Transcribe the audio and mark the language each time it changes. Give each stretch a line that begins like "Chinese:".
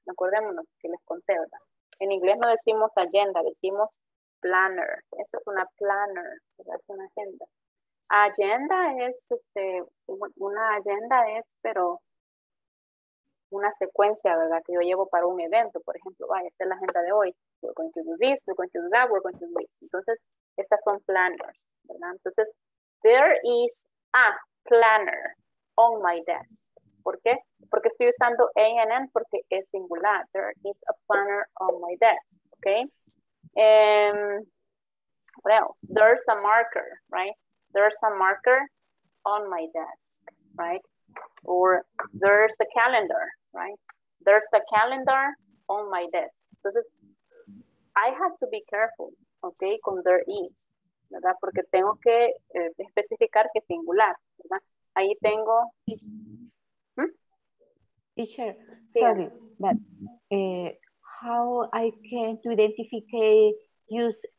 Spanish: Acordémonos que les conté, ¿verdad? En inglés no decimos agenda, decimos planner. Esa es una planner, ¿verdad? Es una agenda. Agenda es, una agenda es, pero una secuencia, ¿verdad? Que yo llevo para un evento, por ejemplo, esta es la agenda de hoy.
English: We're going to do this, we're going to do that, we're going to do this.
Spanish: Entonces, estas son planners, ¿verdad?
English: Entonces, there is a planner on my desk.
Spanish: ¿Por qué? Porque estoy usando A and N porque es singular.
English: There is a planner on my desk, ¿ok? What else? There's a marker, right? There's a marker on my desk, right? Or there's a calendar, right? There's a calendar on my desk. Entonces, I have to be careful, ¿ok?
Spanish: Con
English: there is,
Spanish: ¿verdad? Porque tengo que especificar que es singular, ¿verdad? Ahí tengo...
English: Teacher, sorry, but how I can to identify use